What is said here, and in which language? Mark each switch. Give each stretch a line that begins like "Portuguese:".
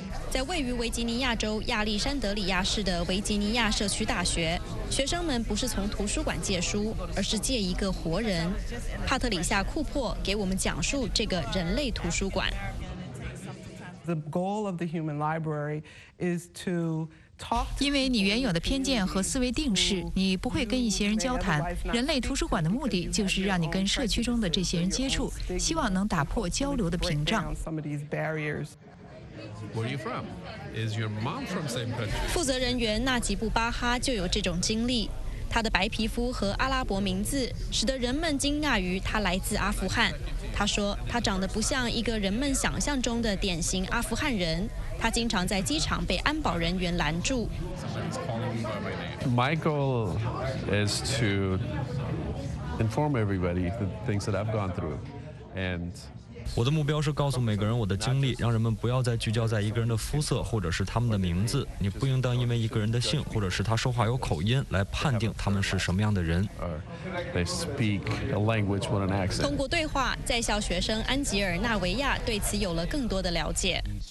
Chinese: 在位于维吉尼亚州亚历山德里亚市的维吉尼亚社区大学，学生们不是从图书馆借书，而是借一个活人。帕特里夏·库珀给我们讲述这个人类图书馆。
English: The goal of the human library is to talk.
Chinese: 因为你原有的偏见和思维定式，你不会跟一些人交谈。人类图书馆的目的就是让你跟社区中的这些人接触，希望能打破交流的屏障。
English: Where are you from? Is your mom from same country?
Chinese: 负责人员纳吉布巴哈就有这种经历。他的白皮肤和阿拉伯名字使得人们惊讶于他来自阿富汗。他说他长得不像一个人们想象中的典型阿富汗人。他经常在机场被安保人员拦住。
English: My goal is to inform everybody the things that I've gone through and.
Chinese: 我的目标是告诉每个人我的经历，让人们不要再聚焦在一个人的肤色或者是他们的名字。你不应当因为一个人的姓或者是他说话有口音来判定他们是什么样的人。通过对话，在校学生安吉尔·纳维亚对此有了更多的了解。